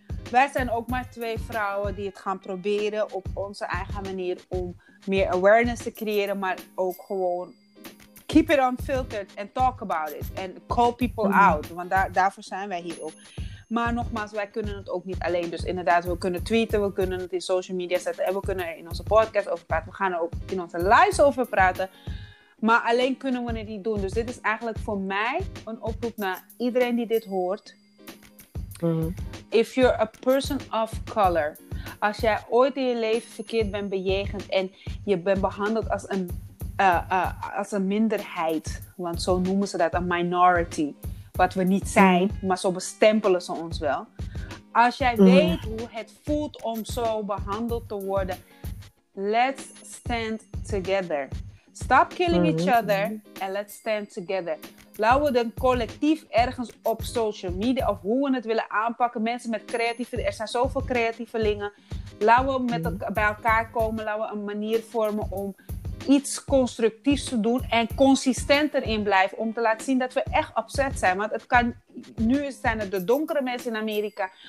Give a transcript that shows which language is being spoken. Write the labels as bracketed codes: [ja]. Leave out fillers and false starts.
[nl] Wij zijn ook maar 2 vrouwen die het gaan proberen op onze eigen manier om meer awareness te creëren. Maar ook gewoon [en] keep it unfiltered and talk about it. And call people out. [nl] Want daarvoor zijn wij hier ook. Maar nogmaals, wij kunnen het ook niet alleen. Dus inderdaad, we kunnen tweeten, we kunnen het in social media zetten. En we kunnen er in onze podcast over praten. We gaan er ook in onze lives over praten. Maar alleen kunnen we het niet doen. Dus dit is eigenlijk voor mij een oproep naar iedereen die dit hoort. [en] If you're a person of color, [nl] als jij ooit in je leven verkeerd bent bejegend en je bent behandeld als een minderheid, want zo noemen ze dat, een minority, wat we niet zijn, maar zo bestempelen ze ons wel. Als jij weet hoe het voelt om zo behandeld te worden, [en] let's stand together. Stop killing each other and let's stand together. [nl] Laten we dan collectief ergens op social media of hoe we het willen aanpakken. Mensen met creatieve, er zijn zoveel creatievelingen. Laten we bij elkaar komen. Laten we een manier vormen om iets constructiefs te doen en consistenter in blijven. Om te laten zien dat we echt upset zijn. Want het kan, nu zijn het de donkere mensen in Amerika.